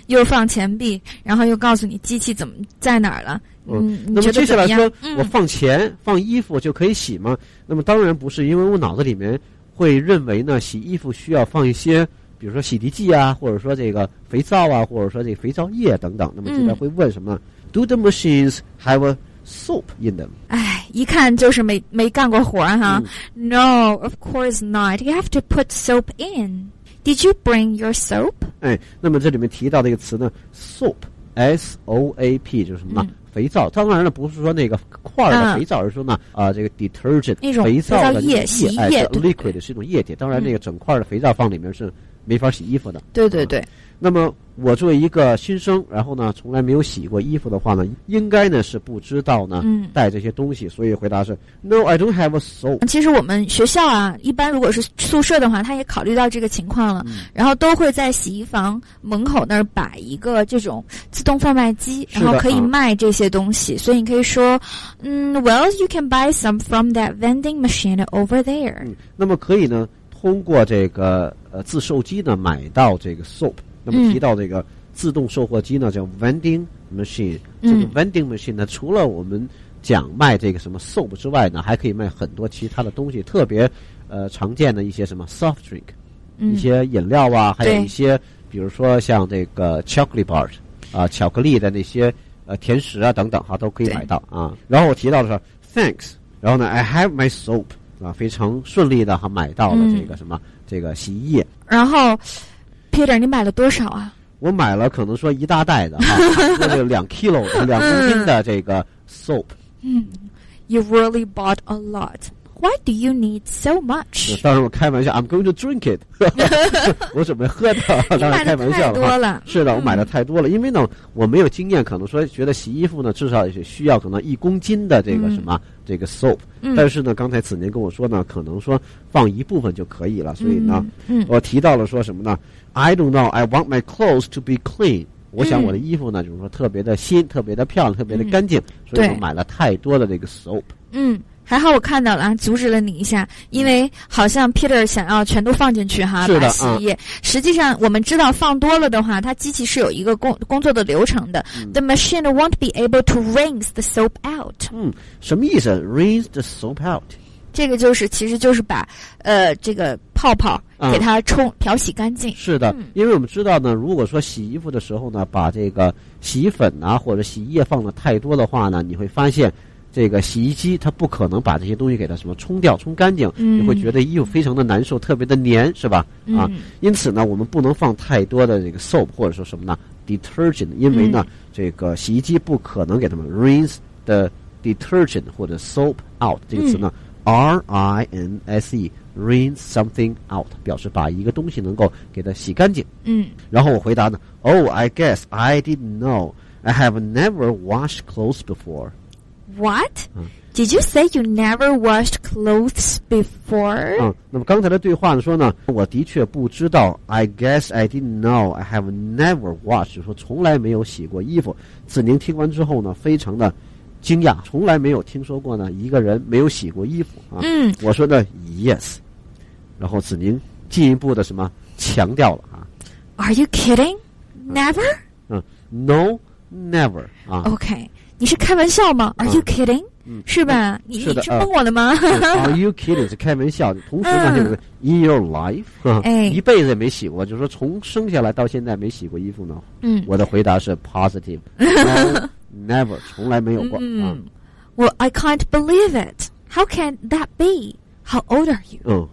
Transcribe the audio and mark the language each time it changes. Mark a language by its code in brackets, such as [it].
[zh] 又放钱币，然后又告诉你机器怎么在哪儿了。嗯，那么接下来说、嗯、我放钱放衣服就可以洗吗？那么当然不是，因为我脑子里面会认为呢，洗衣服需要放一些比如说洗涤剂啊，或者说这个肥皂啊，或者说这个肥皂液等等。那么接下来会问什么、嗯、 [en] Do the machines have a soap in them？ [zh] 哎，一看就是没干过活哈、嗯、 [en] No, of course not. You have to put soap in. Did you bring your soap？ [zh] 哎，那么这里面提到的一个词呢， soap S-O-A-P 就是什么呢、嗯，肥皂，当然了，不是说那个块的肥皂，而是说呢，这个 detergent 那种肥皂的液，洗液、哎、liquid 是一种液体。当然，那个整块的肥皂放里面是没法洗衣服的。对对对。啊、那么，我作为一个新生，然后呢，从来没有洗过衣服的话呢，应该呢是不知道呢、嗯、带这些东西，所以回答是 [en] No, I don't have a soap。 [zh] 其实我们学校啊，一般如果是宿舍的话，他也考虑到这个情况了，嗯、然后都会在洗衣房门口那儿摆一个这种自动贩卖机，然后可以卖这些东西。嗯、所以你可以说， [en] 嗯 ，Well, you can buy some from that vending machine over there、嗯。 [zh] 那么可以呢，通过这个自售机呢买到这个 soap。那么提到这个自动售货机呢，叫 vending machine。这个 vending machine 呢，除了我们讲卖这个什么 soap 之外呢，还可以卖很多其他的东西，特别常见的一些什么 soft drink， 一些饮料啊，还有一些比如说像这个 chocolate bar 啊，巧克力的那些甜食啊等等哈，都可以买到啊。然后我提到的是 thanks， 然后呢 [en] I have my soap [zh] 啊，非常顺利的哈买到了这个什么这个洗衣液。然后Peter， 你买了多少啊？我买了可能说一大袋的哈，那就2 kilo 两公斤的这个 soap。 [en] 嗯 ，You really bought a lot. Why do you need so much？ [zh] 当然我开玩笑 [en] ，I'm going to drink it 。 [zh] 我准备喝的，当然开玩笑了。太多了，是的，我买的太多了，因为呢我没有经验，可能说觉得洗衣服呢至少也需要可能1公斤的这个什么、嗯、这个 soap。但是呢，刚才子宁跟我说呢，可能说放一部分就可以了，所以呢，嗯、我提到了说什么呢？ [en] I don't know. I want my clothes to be clean. [zh] 我想我的衣服呢，就是说特别的新，特别的漂亮，特别的干净，所以我买了太多的这个 soap。嗯，还好我看到了，阻止了你一下，因为好像 Peter 想要全都放进去哈，是的，把洗衣液、嗯。实际上我们知道放多了的话，它机器是有一个工作的流程的。嗯、 [en] the machine won't be able to rinse the soap out. 嗯， [zh] 什么意思 [en] ？Rinse the soap out。 [zh] 这个就是，其实就是把这个泡泡给它冲、嗯、漂洗干净。是的，因为我们知道呢，如果说洗衣服的时候呢，把这个洗衣粉啊或者洗衣液放的太多的话呢，你会发现这个洗衣机它不可能把这些东西给它什么冲掉冲干净、嗯、你会觉得衣服非常的难受，特别的黏，是吧？啊、嗯、因此呢，我们不能放太多的这个 soap 或者说什么呢 detergent， 因为呢、嗯、这个洗衣机不可能给它们 [en] rinse the detergent [zh] 或者 soap out 这个词呢、嗯， R-I-N-S-E [en] rinse something out [zh] 表示把一个东西能够给它洗干净。嗯，然后我回答呢 [en] Oh, I guess I didn't know. I have never washed clothes before. What? Did you say you never washed clothes before? [zh] 那么刚才的对话说呢，我的确不知道。 [en] I guess I didn't know. I have never washed. [zh] 说从来没有洗过衣服。子宁听完之后呢，非常的惊讶，从来没有听说过呢一个人没有洗过衣服啊。嗯，我说呢 yes， 然后子宁进一步的什么强调了啊 [en] ？Are you kidding? Never? No, never. 啊，OK， [zh] 你是开玩笑吗 [en] ？Are you kidding? [zh] 是吧？是的，你是蒙我的吗 [en] ？Are you kidding？ [zh] 是开玩笑。同时呢，就是 [en] in your life， [zh] 一辈子也没洗过，就是说从生下来到现在没洗过衣服呢。嗯，我的回答是 positive， never， 从来没有过。 [en] Well, I can't believe it. How can that be? How old are you?